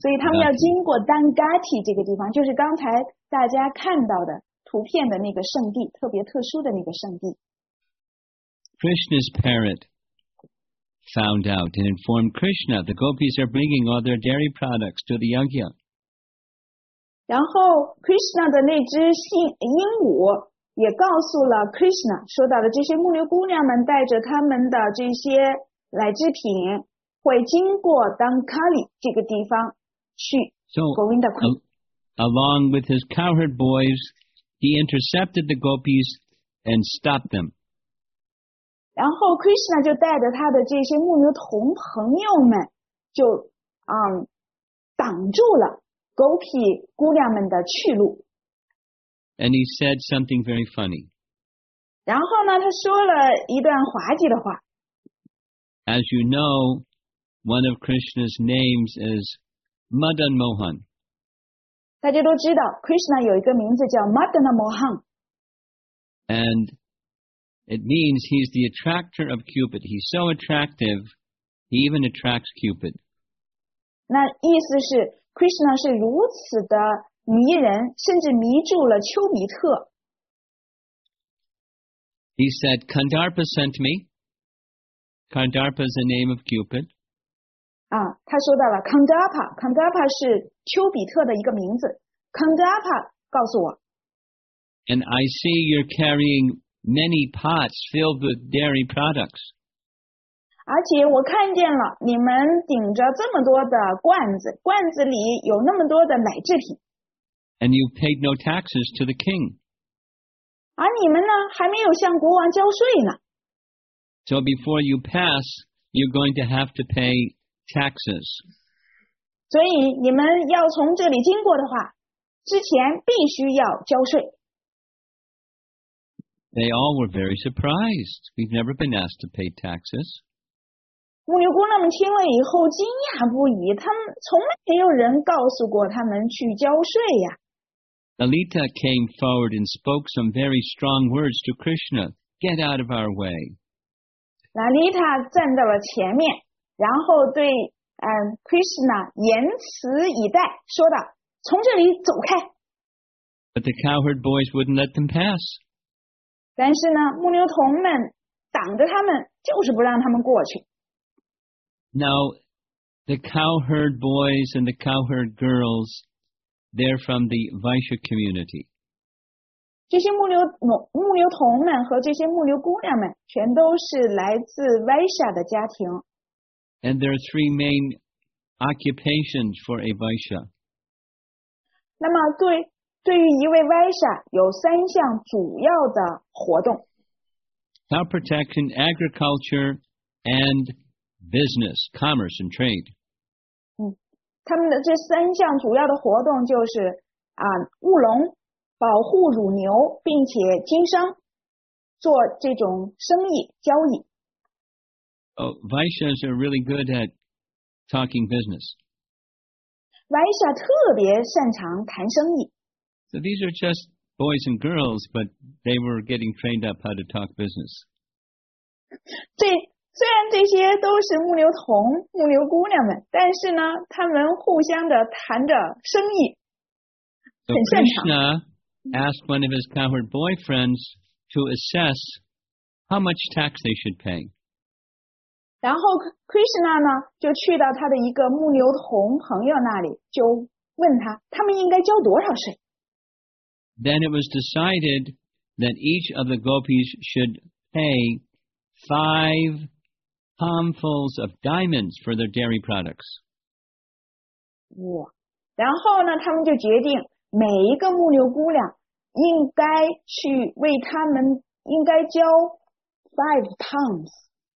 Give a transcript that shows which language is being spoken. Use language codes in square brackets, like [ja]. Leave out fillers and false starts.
[zh] 所以他们要经过 Dangati 这个地方，就是刚才大家看到的图片的那个圣地，特别特殊的那个圣地。 [en] Krishna's parrot found out and informed Krishna the gopis are bringing all their dairy products to the yagya. [zh] 然后 Krishna 的那只鹦鹉也告诉了 Krishna， 说到的这些牧牛姑娘们带着他们的这些奶制品会经过 Dangkali 这个地方去 Govindakund。 [en] So, along with his cowherd boys, he intercepted the gopis and stopped them. [zh] 然后 Krishna 就带着他的这些牧牛童朋友们就挡住了 gopi 姑娘们的去路。 [en] And he said something very funny. [zh] 然后呢，他说了一段滑稽的话。 [en] As you know, one of Krishna's names is Madan Mohan. [zh] 大家都知道 ，Krishna 有一个名字叫 Madan Mohan. [en] And it means he's the attractor of Cupid. He's so attractive, he even attracts Cupid. [zh] 那意思是 ，Krishna 是如此的。迷人，甚至迷住了丘比特。 [en] He said, "Kandarpa sent me." Kandarpa is the name of Cupid. [zh] 啊，他说到了 Kandarpa， Kandarpa 是丘比特的一个名字。 Kandarpa 告诉我。 [en] And I see you're carrying many pots filled with dairy products. [zh] 而且我看见了你们顶着这么多的罐子，罐子里有那么多的奶制品。 [en] And you paid no taxes to the king. [zh] 而你们呢，还没有向国王交税呢。 [en] So before you pass, you're going to have to pay taxes. [zh] 所以你们要从这里经过的话，之前必须要交税。 [en] They all were very surprised. We've never been asked to pay taxes. [zh] 牧牛姑娘们听了以后惊讶不已，他们从没有人告诉过他们去交税呀。 [en] Lalita came forward and spoke some very strong words to Krishna. Get out of our way. [zh] Lalita 站在了前面，然后对Krishna 言辞以待，说道：“从这里走开。” [en] But the cowherd boys wouldn't let them pass. [zh] 但是呢，牧牛童们挡着他们，就是不让他们过去。 [en] Now, the cowherd boys and the cowherd girls. They're from the Vaishya community. [zh] 这些牧牛童们和这些牧牛姑娘们全都是来自 Vaishya 的家庭。 [en] And there are three main occupations for a Vaishya. [zh] 那么对于一位 Vaishya 有三项主要的活动。 [en] Cow protection, agriculture, and business, commerce and trade. [zh] 他们的这三项主要的活动就是务农、保护乳牛，并且经商，做这种生意交易。 [en] Vaishyas are really good at talking business. [zh] Vaishya 特别擅长谈生意。 [en] So these are just boys and girls, but they were getting trained up how to talk business. [zh] 虽然这些都是牧牛童、牧牛姑娘们，但是呢，他们互相的谈着生意，很擅长。 [en] So Krishna asked one of his cowherd boyfriends to assess how much tax they should pay. [zh] 然后 Krishna 呢就去到他的一个牧牛童朋友那里，就问他他们应该交多少税。 [en] Then it was decided that each of the gopis should pay 5 palmfuls of diamonds for their dairy products. [zh] 哇，然后呢，他们就决定每一个牧牛姑娘应该去为他们应该交 5 palms.